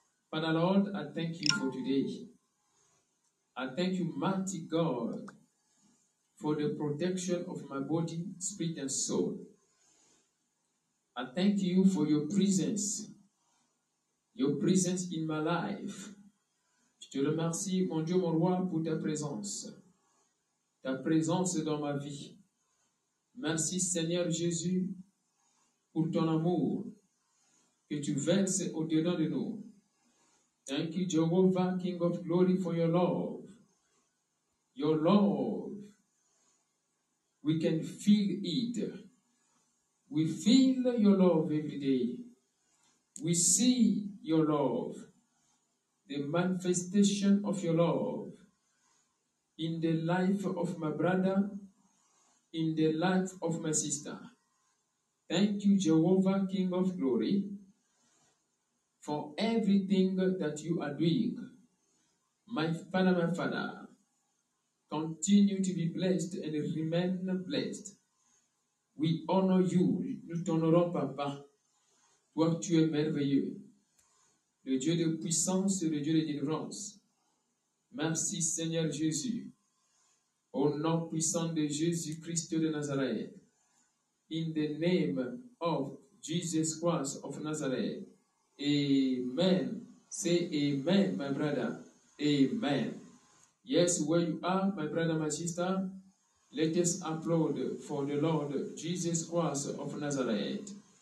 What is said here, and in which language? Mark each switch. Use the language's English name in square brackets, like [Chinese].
[English] Father Lord, I thank you for today. I thank you, mighty God, for the protection of my body, spirit, and soul. I thank you for your presence in my life. [French] Je te remercie, mon Dieu, mon roi, pour ta présence dans ma vie. Merci, Seigneur Jésus, pour ton amour que tu verses au-dedans de nous. [English] Thank you, Jehovah, King of Glory, for your love. Your love, we can feel it. We feel your love every day. We see your love, the manifestation of your love in the life of my brother, in the life of my sister. Thank you, Jehovah, King of Glory, for everything that you are doing. My Father, continue to be blessed and remain blessed. We honor you, [French] nous t'honorons, Papa. Toi, tu es merveilleux. Le Dieu de puissance, le Dieu de délivrance. Merci, Seigneur Jésus. Au nom puissant de Jésus-Christ de Nazareth. [English] In the name of Jesus Christ of Nazareth. Amen. Say amen, my brother. Amen. Yes, where you are, my brother, my sister, let us applaud for the Lord Jesus Christ of Nazareth.